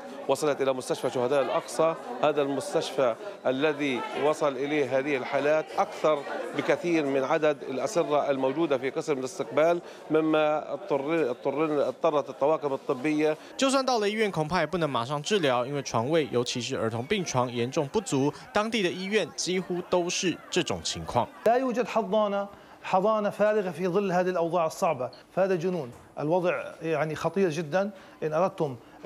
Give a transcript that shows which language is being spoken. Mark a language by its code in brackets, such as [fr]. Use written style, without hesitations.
[ar] وصلت إلى مستشفى شهداء الأقصى هذا المستشفى الذي وصل إليه هذه الحالات أكثر بكثير من عدد الأسرة الموجودة في قسم الاستقبال مما اضطرت الطواقم الطبية [zh] 就算到了医院恐怕也不能马上治疗因为床位尤其是儿童病床严重不足当地的医院几乎都是这种情况 [ar] لا يوجد حضانة فارغة في ظل هذه الأوضاع الصعبة فهذا جنون الوضع يعني خطير جدا إن أردتم